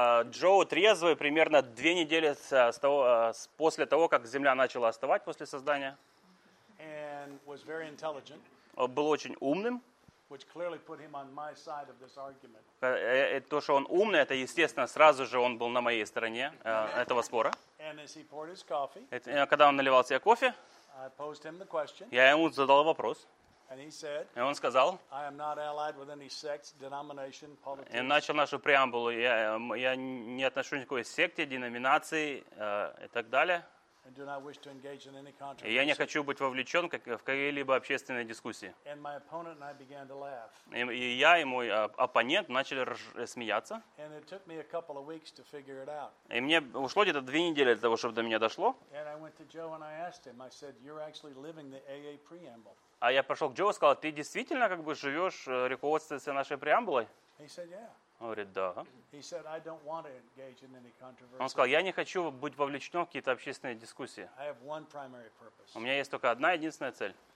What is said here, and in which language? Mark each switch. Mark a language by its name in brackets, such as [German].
[Russian] Джо трезвый примерно 2 недели после того, как Земля начала остывать после создания. [English] And was very intelligent. [Russian] Был очень умным. [English] Which clearly put him on my side of this argument. [Russian] То, что он умный, это естественно, сразу же он был на моей стороне этого спора. [English] And as he poured his coffee, [Russian] когда он наливал себе кофе, [English] I posed him the question, [Russian] я ему задал вопрос. [English] And he said, [Russian] и он сказал, [English] I am not allied with any sect, denomination, politics. [Russian] И он начал нашу преамбулу, я не отношусь к никакой секте, деноминации и так далее. [English] And do not wish to engage in any controversy. [Russian] И я не хочу быть вовлечен в какие-либо общественные дискуссии. [English] And my opponent and I began to laugh. [Russian] И я и мой оппонент начали смеяться. [English] And it took me a couple of weeks to figure it out. [Russian] И мне ушло где-то 2 недели для того, чтобы до меня дошло. [English] And I went to Joe and I asked him. I said, "You're actually living the AA preamble." [Russian] А я пошел к Джо и сказал, ты действительно как бы живешь, руководствуешься нашей преамбулой? [English] He said, "Yeah." [Russian] Он говорит, да. [English] He said, I don't want to engage in any controversy. [Russian] Он сказал, я не хочу быть вовлечен в какие-то общественные дискуссии. [English] I have one primary purpose. [Russian] У меня есть только одна единственная цель.